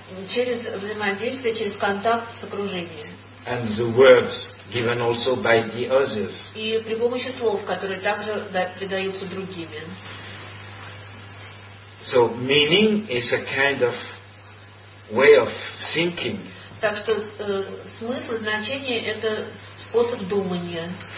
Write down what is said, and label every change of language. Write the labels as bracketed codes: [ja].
[ru] Через взаимодействие, через контакт с окружением. [en] And the words given also by the others. [ru] И при помощи слов, которые также передаются другими. [en] So meaning is a kind of way of thinking. [ru] Так что смысл, значение – это способ думания.